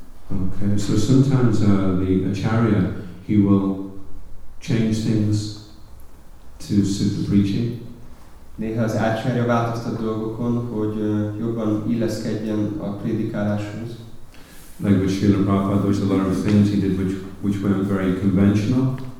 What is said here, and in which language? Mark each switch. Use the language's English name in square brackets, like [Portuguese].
[English] Okay, so sometimes the acharya, he will change things to suit the preaching. [Hungarian] Néha az acharya változtat dolgokon, hogy jobban illeszkedjen a prédikáláshoz. [English] Like with Srila Prabhupada, there was a lot of things he did which weren't very conventional.